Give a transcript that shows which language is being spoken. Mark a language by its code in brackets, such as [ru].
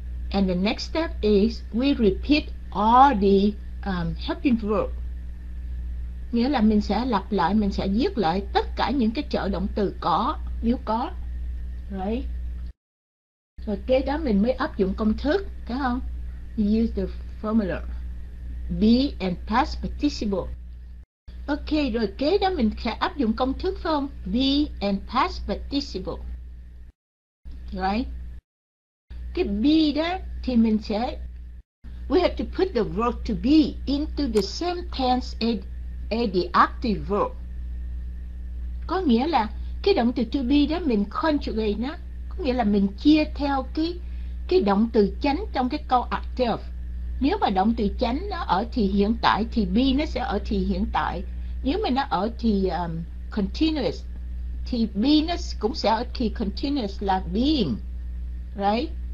[en] And the next step is we repeat all the helping verb. [vi] Nghĩa là mình sẽ lặp lại, mình sẽ viết lại tất cả những cái trợ động từ có, nếu có. Right. Rồi kế đó mình mới áp dụng công thức, phải không? [en] We use the formula be and past participle. [vi] Ok, rồi kế đó mình sẽ áp dụng công thức, phải không? [en] Be and past participle. Right. [vi] Cái be đó thì mình sẽ [en] we have to put the verb to be into the same tense as the active verb. [vi] Có nghĩa là cái động từ to be đó mình conjugate nó, có nghĩa là mình chia theo cái động từ chánh trong cái câu active. Nếu mà động từ chánh nó ở thì hiện tại thì be nó sẽ ở thì hiện tại. Nếu mà nó ở thì continuous thì be nó cũng sẽ ở thì continuous là being. Right?